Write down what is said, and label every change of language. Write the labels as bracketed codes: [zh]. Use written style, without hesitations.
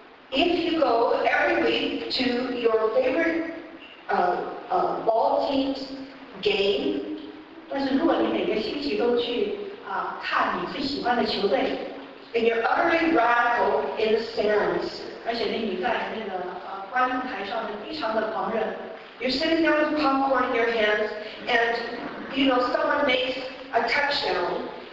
[en] If you go every week to your favorite ball team's game, [zh] 但是如果你每个星期都去看你最喜欢的球队, [en] and you're utterly radical in the stands, [zh] 而且你在那个观众台上非常的狂热, [en] you're sitting there with popcorn in your hands, and you know someone makes a touchdown.